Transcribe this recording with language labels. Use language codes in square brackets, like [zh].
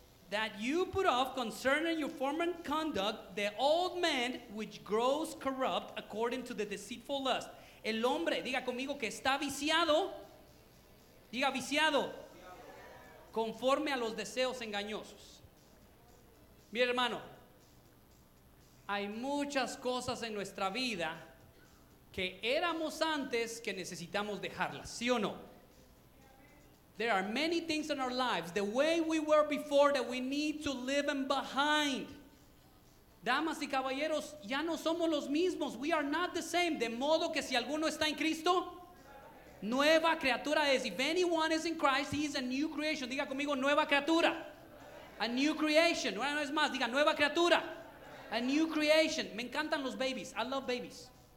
[en] That you put off concerning your former conduct, the old man which grows corrupt according to the deceitful lust. [es] El hombre, diga conmigo, que está viciado, diga viciado, conforme a los deseos engañosos. Mi hermano, hay muchas cosas en nuestra vida que éramos antes que necesitamos dejarlas, ¿sí o no? [en] There are many things in our lives, the way we were before, that we need to leave them behind. [es] Damas y caballeros, ya no somos los mismos. [en] We are not the same. [es] De modo que si alguno está en Cristo, nueva criatura es. [en] If anyone is in Christ, he is a new creation. [es] Diga conmigo, nueva criatura. [en] A new creation. [es] Una vez más, diga, nueva criatura. [en] A new creation. [es] Me encantan los babies. [en] I love babies.